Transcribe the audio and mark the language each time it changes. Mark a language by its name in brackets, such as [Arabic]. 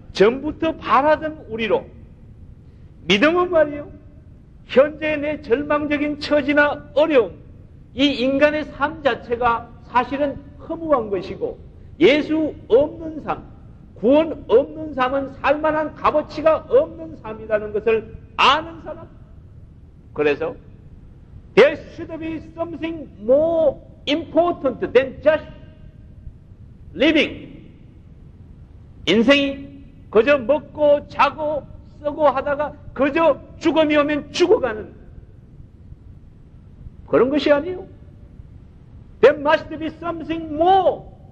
[Korean] 전부터 바라던 우리로. 믿음은 말이요, 현재 내 절망적인 처지나 어려움, 이 인간의 삶 자체가 사실은 허무한 것이고 예수 없는 삶, 구원 없는 삶은 살만한 값어치가 없는 삶이라는 것을 아는 사람. 그래서 [English] There should be something more important than just living. [Korean] 인생이 그저 먹고 자고 쓰고 하다가 그저 죽음이 오면 죽어가는 그런 것이 아니에요. [English] There must be something more.